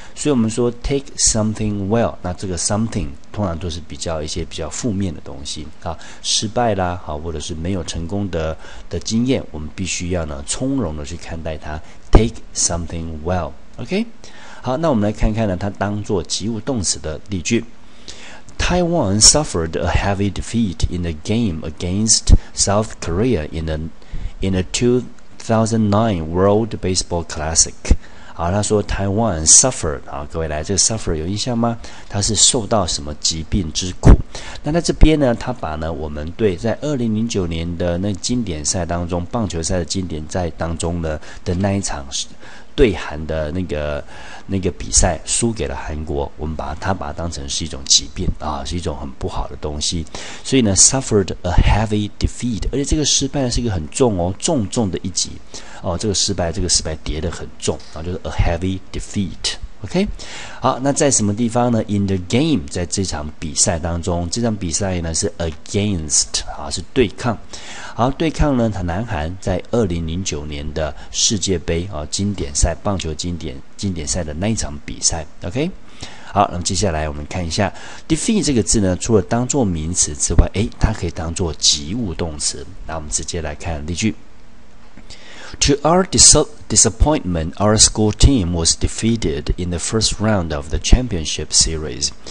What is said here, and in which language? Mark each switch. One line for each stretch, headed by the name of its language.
Chinese: 所以我们说
English: take something well，
Chinese: 那这个 something 通常都是比较一些比较负面的东西啊，失败啦，好，或者是没有成功的经验，我们必须要呢从容的去看待它， take something well。 OK， 好，那我们来看看呢它当作及物动词的例句。
English: Taiwan suffered a heavy defeat in the game against South Korea in the 2009 World Baseball Classic.
Chinese: 好，他说
English: Taiwan suffered，
Chinese: 好，各位来，这个 suffer 有印象吗？他是受到什么疾病之苦。那在这边呢，他把呢我们对在2009年的那经典赛当中，棒球赛的经典赛当中呢的那一场对韩的那个比赛输给了韩国，我们把它当成是一种疾病啊，是一种很不好的东西。所以呢
English: suffered a heavy defeat，
Chinese: 而且这个失败是一个很重哦，重重的一击哦，这个失败跌得很重啊，就是
English: a heavy defeat。
Chinese: OK， 好，那在什么地方呢？
English: In the game，
Chinese: 在这场比赛当中，这场比赛呢是 against 啊，是对抗。好，对抗呢，他南韩在2009年的世界杯啊，经典赛，棒球经典赛的那一场比赛。 OK， 好，那么接下来我们看一下 defeat 这个字呢，除了当作名词之外，哎，它可以当作及物动词。那我们直接来看例句。
English: To our disappointment, our school team was defeated in the first round of the championship series.